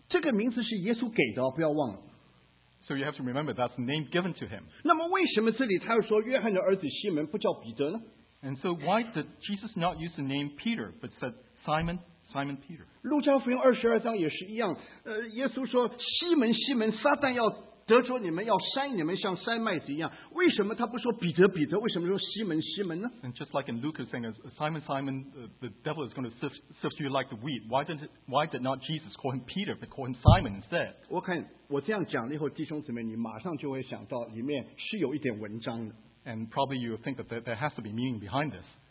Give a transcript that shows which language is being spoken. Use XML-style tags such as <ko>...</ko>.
<zh>这个名字是耶稣给的，不要忘了。</zh> <en>So you have to remember that's the name given to him.</en> <zh>那么为什么这里他又说约翰的儿子西门不叫彼得呢？</zh> <en>And so why did Jesus not use the name Peter, but said Simon, Simon Peter?</en> <zh>路加福音22章也是一样，耶稣说西门西门，撒旦要得着你们，要筛你们，像筛麦子一样。为什么他不说彼得彼得？为什么说西门西门呢？</zh> <en>And just like in Luke, saying Simon Simon, the devil is going to sift you like the wheat. Why did not Jesus call him Peter, but call him Simon instead?</en> <zh>我看我这样讲了以后，弟兄姊妹，你马上就会想到里面是有一点文章的。</zh> <en>And probably you think that there has to be meaning behind this.</en>